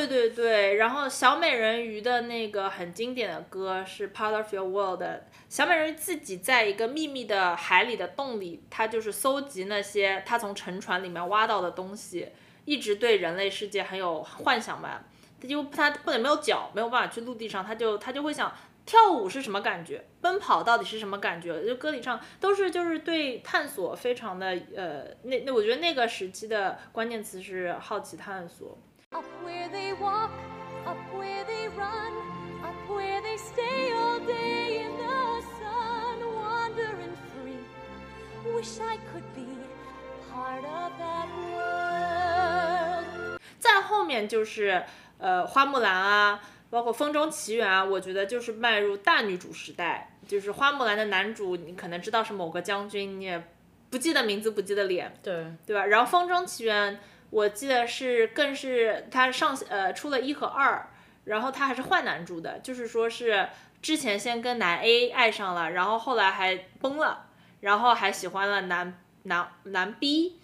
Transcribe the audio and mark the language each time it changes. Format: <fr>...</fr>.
<zh>对对对，然后小美人鱼的那个很经典的歌是 Part of Your World， 小美人鱼自己在一个秘密的海里的洞里，他就是搜集那些他从沉船里面挖到的东西，一直对人类世界很有幻想吧。因为他不能没有脚，没有办法去陆地上，他就会想跳舞是什么感觉，奔跑到底是什么感觉，就歌里唱都是就是对探索非常的那我觉得那个时期的关键词是好奇探索。</zh> <en>Up where they walk, up where they run, up where they stay all day in the sun, wandering free, wish I could be part of that world。</en> <zh>再后面就是花木兰啊，包括风中奇缘啊，我觉得就是迈入大女主时代。就是花木兰的男主你可能知道是某个将军，你也不记得名字不记得脸，对对吧？然后风中奇缘我记得是更是他上出了一和二，然后他还是换男主的，就是说是之前先跟男 A 爱上了，然后后来还崩了，然后还喜欢了男 B。</zh>